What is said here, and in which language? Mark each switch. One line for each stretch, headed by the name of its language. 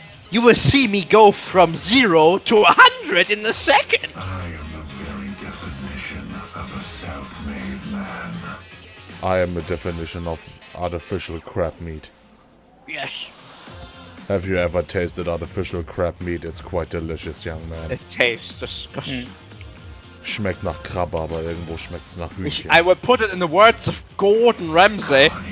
English: You will see me go from 0 to 100 in a second! I am the very definition of a self-made man. I am the definition of artificial crab meat. Yes. Have you ever tasted artificial crab meat? It's quite delicious, young man. It tastes disgusting.
German: Schmeckt nach Krabbe, aber irgendwo schmeckt's nach Hühnchen.
English: I will put it in the words of Gordon Ramsay.